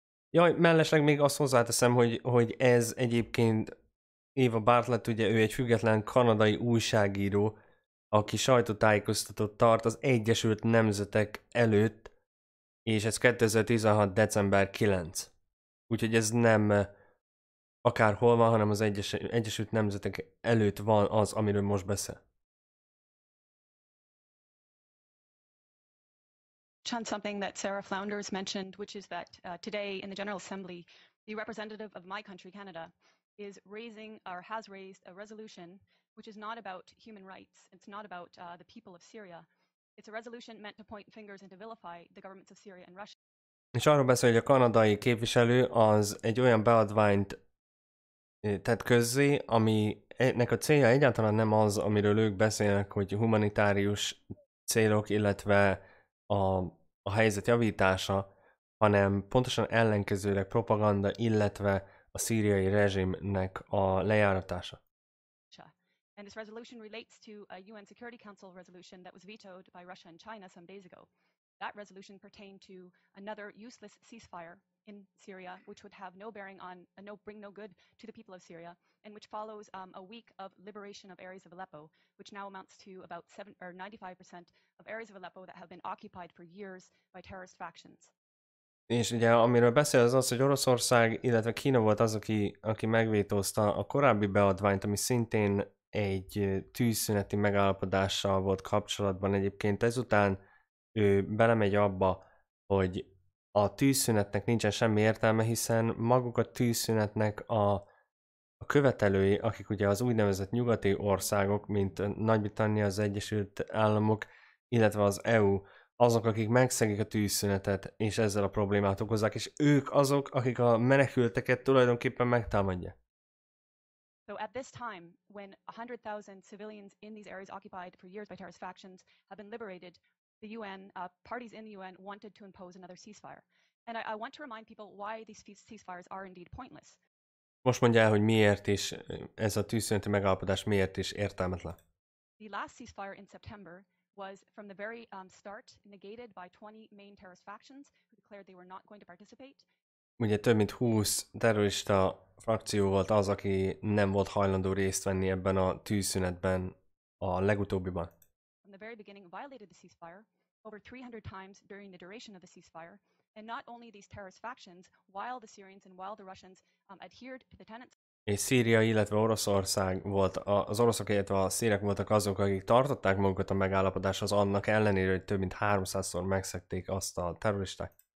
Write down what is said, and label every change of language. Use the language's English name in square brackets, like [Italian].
[Hungarian] Jaj, mellesleg még azt hozzáteszem, hogy ez egyébként Eva Bartlett, ugye ő egy független kanadai újságíró, aki sajtótájékoztatót tart az Egyesült Nemzetek előtt, és ez 2016. december 9. Úgyhogy ez nem akárhol van, hanem az Egyesült Nemzetek előtt van az, amiről most beszél. [English] On something that Sarah Flounders mentioned, which is that today in the General Assembly, the representative of my country, Canada, is raising or has raised a resolution which is not about human rights, it's not about the people of Syria. It's a resolution meant to point fingers and to vilify the governments of Syria and Russia. [Hungarian] És arról beszél, hogy a kanadai képviselő az egy olyan beadványt tett közzé, ami ennek a célja egyáltalán nem az, amiről ők beszélnek, hogy humanitárius célok, illetve a helyzet javítása, hanem pontosan ellenkezőleg propaganda, illetve a szíriai rezsimnek a lejáratása. [English] And this resolution relates to a UN Security Council resolution that was vetoed by Russia and China some days ago. That resolution pertained to another useless ceasefire in Syria, which would have no bearing on, bring no good to the people of Syria, and which follows a week of liberation of areas of Aleppo, which now amounts to about 95% of areas of Aleppo that have been occupied for years by terrorist factions. [Hungarian] És ugye, amiről beszél az az, hogy Oroszország, illetve Kína volt az, aki megvétózta a korábbi beadványt, ami szintén egy tűzszüneti megállapodással volt kapcsolatban egyébként. Ezután ő belemegy abba, hogy a tűzszünetnek nincsen semmi értelme, hiszen maguk a tűzszünetnek a követelői, akik ugye az úgynevezett nyugati országok, mint Nagy-Britannia, az Egyesült Államok, illetve az EU, azok, akik megszegik a tűzszünetet, és ezzel a problémát okozzák, és ők azok, akik a menekülteket tulajdonképpen megtámadják. [English] So at this time, when 100,000 civilians in these areas occupied for years by terrorist factions have been liberated, the UN, parties in the UN wanted to impose another ceasefire. And I want to remind people why these ceasefires are indeed pointless. [Hungarian] Most mondja, hogy miért is ez a tűzszüneti megállapodás miért is értelmetlen. [English] The last ceasefire in September was from the very start negated by 20 main terrorist factions who declared they were not going to participate. [Hungarian] Ugye több mint 20 terrorista frakció volt az, aki nem volt hajlandó részt venni ebben a tűzszünetben a legutóbbiban. [English] From the very beginning violated the ceasefire over 300 times during the duration of the ceasefire, and not only these terrorist factions, while the Syrians and while the Russians adhered to the tenets. [Hungarian] És Szíria, illetve Oroszország volt, az oroszok, illetve a szírek voltak azok, akik tartották magukat a megállapodáshoz annak ellenére, hogy több mint 300-szor megszegték azt a terroristák.